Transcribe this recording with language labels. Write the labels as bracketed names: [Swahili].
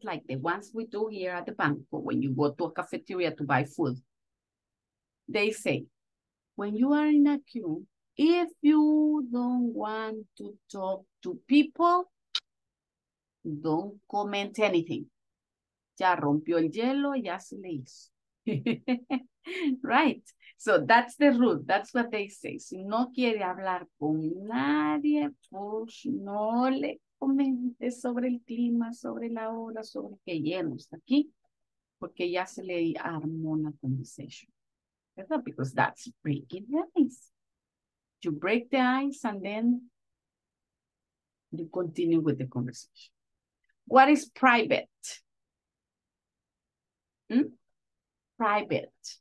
[English] Like the ones we do here at the bank, or when you go to a cafeteria to buy food. They say, when you are in a queue, if you don't want to talk to people, don't comment anything. [Spanish] Ya rompió el hielo, ya se le hizo. [English] Right. So that's the rule. That's what they say. [Spanish] Si no quiere hablar con nadie, pues no le comente sobre el clima, sobre la hora, sobre que lleno está aquí, porque ya se le armó la conversation. [English] ¿Verdad? Because that's breaking the ice. You break the ice and then you continue with the conversation. What is private? Private.